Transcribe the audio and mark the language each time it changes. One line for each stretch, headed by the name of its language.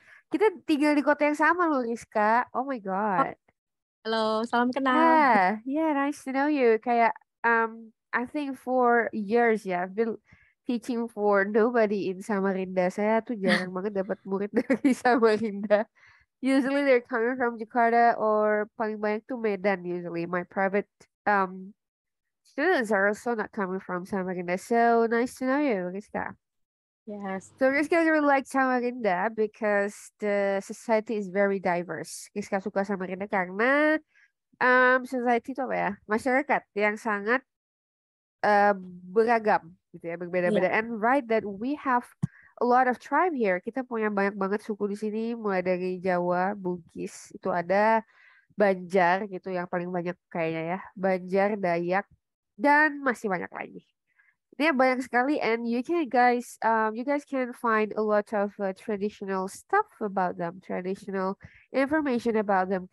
Indonesian: Kita tinggal di kota yang sama loh, Rizka.
English: Oh my god.
Indonesian: Halo, salam kenal.
English: Yeah, nice to know you. Kayak I think for years ya, I've been teaching for nobody in Samarinda.
Indonesian: Saya tuh jarang banget dapat murid dari Samarinda.
English: Usually they're coming from Jakarta or
Indonesian: paling banyak tuh
English: Medan usually. My private students are also not coming from Samarinda. So nice to know you, Rizka. Yes. So Rizka really like Samarinda because the society is very diverse.
Indonesian: Rizka suka Samarinda karena society itu apa ya? Masyarakat yang sangat beragam gitu ya, berbeda-beda.
English: Yeah. And right that we have a lot of tribe here.
Indonesian: Kita punya banyak banget suku di sini, mulai dari Jawa, Bugis, itu ada Banjar gitu yang paling banyak kayaknya ya. Banjar, Dayak, dan masih banyak lagi. Ini banyak sekali,
English: and you guys can find a lot of traditional stuff about them, traditional information about them.